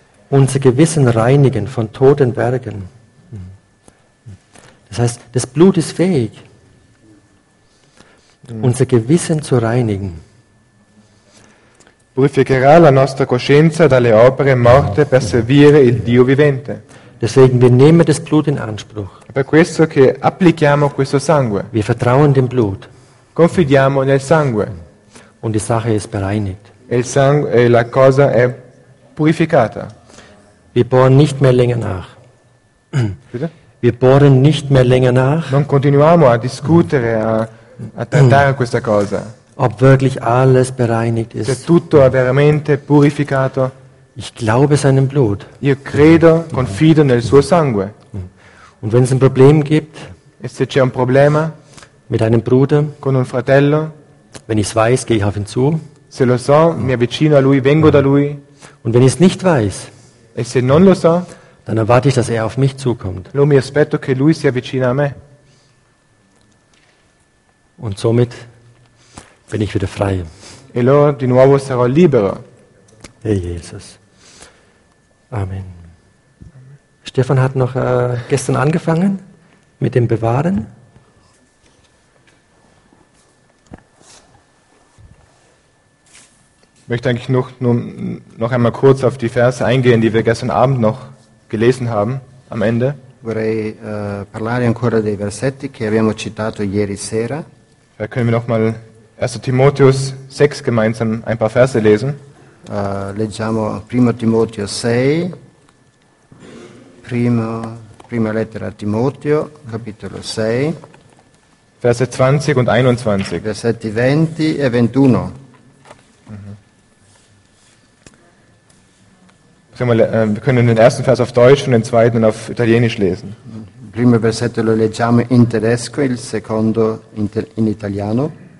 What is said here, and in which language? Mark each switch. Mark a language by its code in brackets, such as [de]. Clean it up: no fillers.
[de] Unser Gewissen reinigen von toten Werken. Das heißt, das Blut ist fähig, unser Gewissen zu reinigen. [it] Purificherà la nostra coscienza dalle opere morte per servire il Dio vivente. [de] Deswegen wir nehmen das Blut in Anspruch. [it] Per questo che applichiamo questo sangue. [de] Wir vertrauen dem Blut. [it] Confidiamo nel sangue. [de] Und die Sache ist bereinigt. [it] La cosa è purificata. [de] Wir bohren nicht mehr länger nach. Bitte? Wir bohren nicht mehr länger nach. [it] Non continuiamo a discutere a trattare questa cosa. [de] Ob wirklich alles bereinigt ist. [it] Se tutto è veramente purificato. [de] Ich glaube seinem Blut. [it] Io credo, confido nel suo sangue. [de] Und wenn es ein Problem gibt, [it] e se c'è un problema, [de] mit einem Bruder, [it] con un fratello, [de] wenn ich es weiß, gehe ich auf ihn zu. [it] Se lo so, mi avvicino a lui, vengo da lui. [de] Und wenn ich es nicht weiß, [it] e se non lo so, [de] dann erwarte ich, dass er auf mich zukommt. [it] Lo mi aspetto che lui si avvicina a me. [de] Und somit bin ich wieder frei. [it] E allora di nuovo sarò libero. [de] Hey Jesus. Amen. Stefan hat noch gestern angefangen mit dem Bewahren. Ich möchte eigentlich noch einmal kurz auf die Verse eingehen, die wir gestern Abend noch gelesen haben, am Ende. [it] Vorrei parlare ancora dei versetti che abbiamo citato ieri sera. [de] Da können wir noch mal 1. Timotheus 6 gemeinsam ein paar Verse lesen. [it] Leggiamo 1 Timoteo 6, prima lettera a Timoteo, capitolo 6, [de] Verse 20 und 21. [it] Versetti 20 e 21. [de] Wir können den ersten Vers auf Deutsch und den zweiten auf Italienisch lesen. [it] Il primo versetto lo leggiamo in tedesco, il secondo in italiano.